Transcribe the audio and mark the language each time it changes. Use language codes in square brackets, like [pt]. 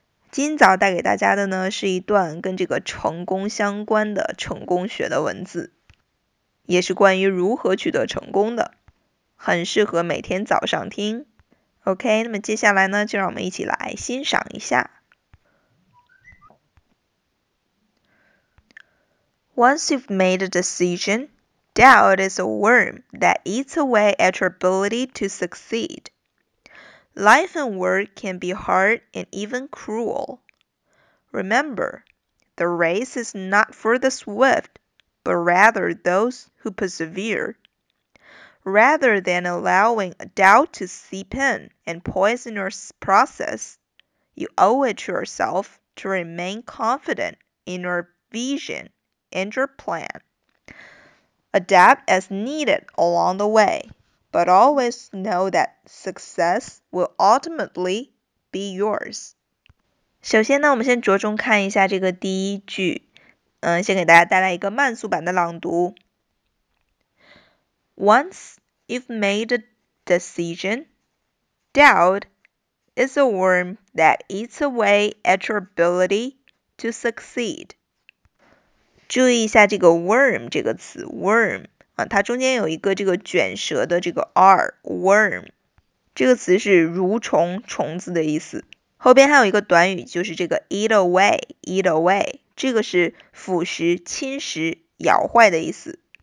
[zh] 今早带给大家的呢，是一段跟这个成功相关的成功学的文字，也是关于如何取得成功的，很适合每天早上听。 OK， 那么接下来呢，就让我们一起来欣赏一下。 [en] Once you've made a decision, doubt is a worm that eats away at your ability to succeed. Life and work can be hard and even cruel. Remember, the race is not for the swift, but rather those who persevere. Rather than allowing doubt to seep in and poison your process, you owe it to yourself to remain confident in your vision. And your plan. Adapt as needed along the way, but always know that success will ultimately be yours. [zh] 首先呢，我们先着重看一下这个第一句，先给大家带来一个慢速版的朗读。 [en] Once you've made a decision, doubt is a worm that eats away at your ability to succeed. [zh] 注意一下这个 worm 这个词 worm 啊，它中间有一个这个卷舌的这个 r worm 这个词是蠕虫虫子的意思，后边还有一个短语就是这个 eat away eat away 这个是腐蚀侵蚀咬坏的意思。